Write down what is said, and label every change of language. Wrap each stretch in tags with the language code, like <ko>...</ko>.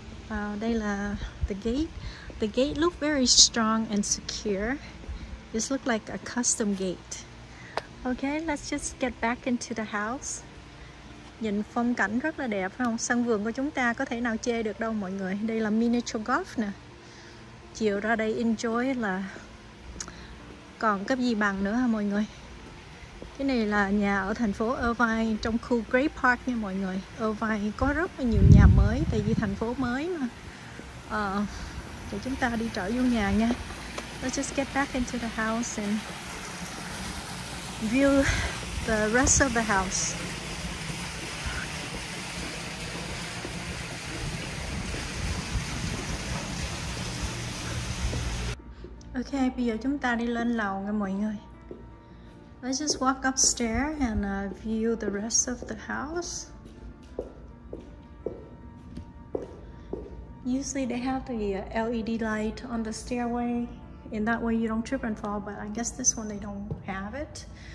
<en>Wow,</en> <vi>đây là</vi> <en>the gate. The gate look very strong and secure. This look like a custom gate. Okay, let's just get back into the house.</en> <vi>Nhìn phong cảnh rất là đẹp phải không? Sân vườn của chúng ta có thể nào chê được đâu mọi người. Đây là miniature golf nè. Chiều ra đây enjoy là còn cái gì bằng nữa hả mọi người? Cái này là nhà ở thành phố Irvine trong khu Great Park nha mọi người. Irvine có rất là nhiều nhà mới tại vì thành phố mới mà. Để chúng ta đi trở vô nhà nha.</vi> <en>Let's just get back into the house and view the rest of the house.</en> <vi>Okay, bây giờ chúng ta đi lên lầu nha mọi người.</vi> <en>Let's just walk upstairs and view the rest of the house. Usually they have the LED light on the stairway. In that way you don't trip and fall, but I guess this one they don't have it.</en>